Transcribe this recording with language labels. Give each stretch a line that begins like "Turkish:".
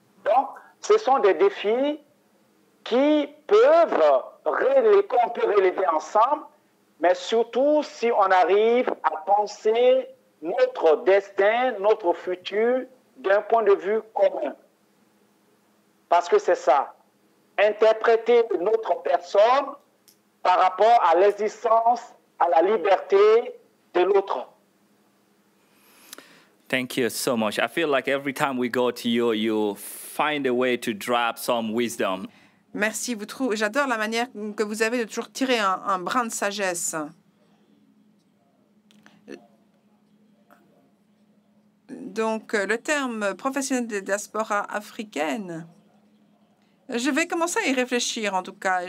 French: Donc, ce sont des défis qui peuvent qu'on peut relever ensemble, mais surtout si on arrive à penser notre destin, notre futur d'un point de vue commun. Parce que c'est ça, interpréter notre personne par rapport à l'existence, à la liberté de l'autre.
English: Thank you so much. I feel like every time we go to you, you find a way to drop some wisdom.
French: Merci, j'adore la manière que vous avez de toujours tirer un brin de sagesse. Donc, le terme professionnel de diaspora africaine, je vais commencer à y réfléchir en tout cas.